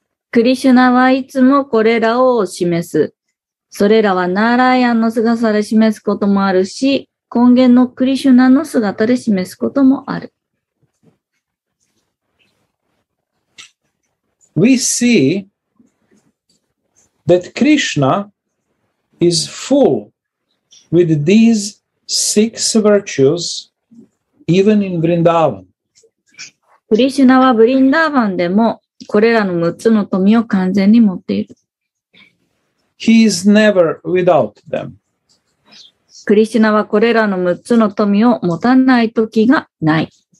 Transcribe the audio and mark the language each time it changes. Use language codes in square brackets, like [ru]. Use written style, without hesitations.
[ja] クリシュナはいつもこれらを示す。それらはナーライアンの姿で示すこともあるし、根源のクリシュナの姿で示すこともある。 [en] We see that Krishna is full with these six virtues even in Vrindavan. [ja] クリシュナはブリンダーバンでもこれらの6つの富を完全に持っている。 [en] He is never without them. [ja] クリシュナはこれらの6つの富を持たない時がない。